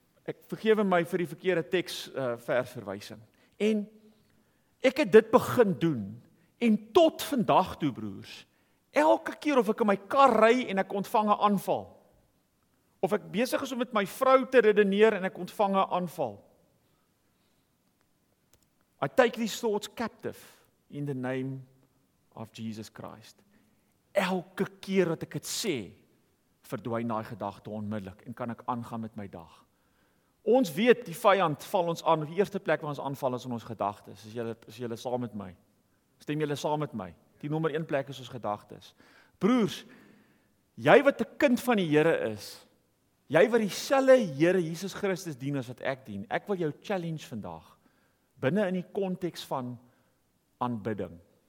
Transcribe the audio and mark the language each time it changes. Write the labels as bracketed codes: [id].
[af] Ek vergewe my vir die verkeerde teks versverwysing. En ek het dit begin doen, en tot vandag toe broers, elke keer of ek in my kar ry en ek ontvang 'n aanval, of ek besig is om met my vrou te redeneer en ek ontvang 'n aanval. [en] I take these thoughts captive in the name of Jesus Christ. [af] Elke keer wat ek het sê, verdwyn daai gedagte onmiddellik en kan ek aangaan met my dag. Ons weet, die vyand val ons aan, die eerste plek waar ons aanval is in ons gedagtes. Is jylle saam met my? Stem jylle saam met my? Die nommer 1 plek is ons gedagtes. Broers, jy wat 'n kind van die Here is, jy wat dieselfde Here Jesus Christus dien as wat ek dien, ek wil jou challenge vandag, binne in die konteks van aanbidding.